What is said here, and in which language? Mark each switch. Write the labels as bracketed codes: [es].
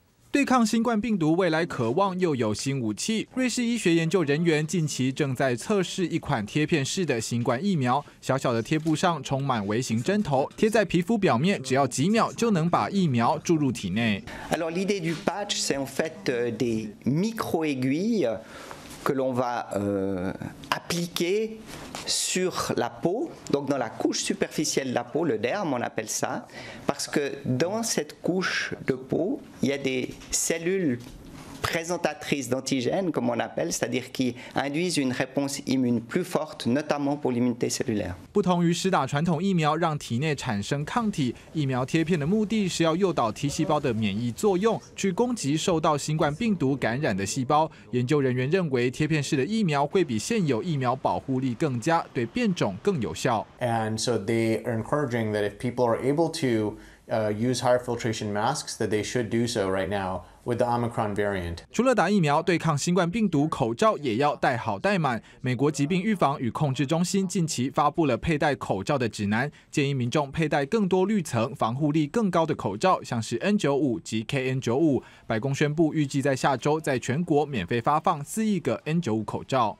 [zh] 对抗新冠病毒，未来渴望又有新武器。瑞士医学研究人员近期正在测试一款贴片式的新冠疫苗，小小的贴布上充满微型针头，贴在皮肤表面，只要几秒就能把疫苗注入体内。 [fr] Alors l'idée du patch c'est en fait des micro aiguilles que l'on va appliquer sur la peau, donc dans la couche superficielle de la peau, le derme on appelle ça, parce que dans cette couche de peau, il y a des cellules présentatrices d'antigènes, comme on appelle, c'est-à-dire qui induisent une réponse immune plus forte, notamment pour l'immunité cellulaire. [zh] 不同于施打传统疫苗让体内产生抗体，疫苗贴片的目的是要诱导 T 细胞的免疫作用，去攻击受到新冠病毒感染的细胞。研究人员认为，贴片式的疫苗会比现有疫苗保护力更加，对变种更有效。 [en] And so they are encouraging that if people are able to use higher filtration masks, that they should do so right now. With the Omicron variant. [zh] 除了打疫苗对抗新冠病毒，口罩也要戴好戴满。美国疾病预防与控制中心近期发布了佩戴口罩的指南，建议民众佩戴更多滤层、防护力更高的口罩，像是 N95 及 KN95。白宫宣布预计在下周在全国免费发放4亿个 N95 口罩。